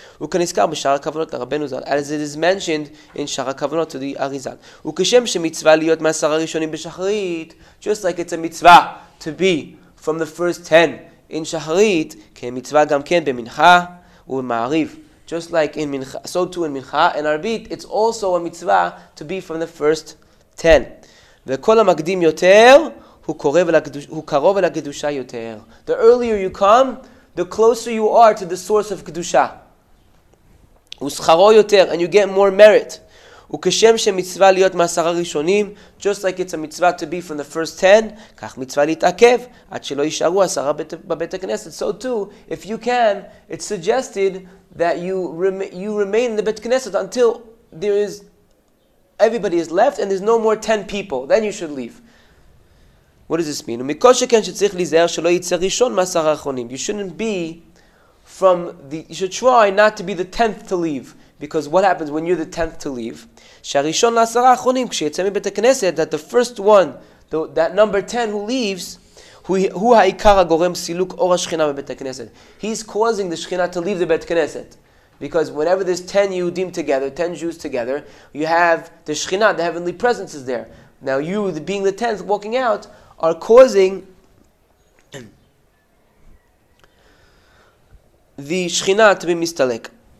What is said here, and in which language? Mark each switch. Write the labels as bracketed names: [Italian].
[English] As it is mentioned in Shara Kavanot to the Arizal. Just like it's a mitzvah to be from the first 10 in Shacharit, [Hebrew] mitzvah gam ken b'mincha u'ma'ariv. [English] Just like in Mincha, so too in Mincha and Arbit, it's also a mitzvah to be from the first 10. [Hebrew] וכל המקדים יותר, הוא קרוב אל הקדושה יותר. [English] The earlier you come, the closer you are to the source of קדושה. [Hebrew] ושכרו יותר, [English] and you get more merit. [Hebrew] וכשם שמצווה להיות מעשרה ראשונים, [English] just like it's a mitzvah to be from the first 10, [Hebrew] כך מצווה להתעכב, עד שלא יישארו עשרה בבית הכנסת. [English] So too, if you can, it's suggested that you remain in the Bet Knesset until there is everybody is left and there's no more 10 people. Then you should leave. What does this mean? [Hebrew] ומכל שכן שצריך להיזהר שלא יצא ראשון מעשרה האחרונים. [English] You shouldn't be from the... You should try not to be the 10th to leave. Because what happens when you're the 10th to leave? [Hebrew] שהראשון לעשרה האחרונים, כשיצא מבית הכנסת, [English] that the first one, that number 10 who leaves... [Hebrew] הוא העיקר הגורם סילוק אור השכינה בבית הכנסת. [English] He's causing the Shekhinah to leave the Bet Knesset. Because whenever there's 10 Yehudim together, 10 Jews together, you have the Shekhinah, the heavenly presence is there. Now you, being the 10th, walking out, are causing the Shekhinah to be mistalek.